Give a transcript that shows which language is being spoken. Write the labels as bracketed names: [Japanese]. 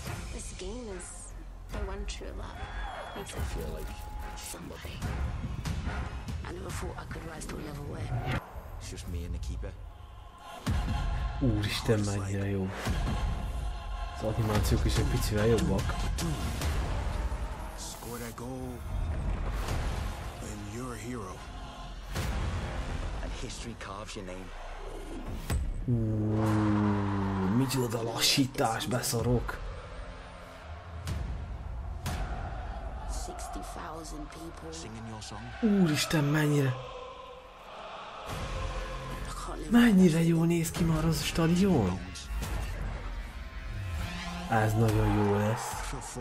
[English] This game is the one true love. Makes me feel like somebody. I never thought I could rise to a level where. It's just me and the keeper. [Hungarian] Úristen, mennyire jó. Az animációk is egy picivel jobbak. [English] Score that goal. And you're a hero. And history carves your name. [Hungarian] Micsoda lassítás, beszarok! [English] 60,000 people singing your song. [Hungarian] Úristen, mennyire! Mennyire jó néz ki már az a stadion! Ez nagyon jó lesz.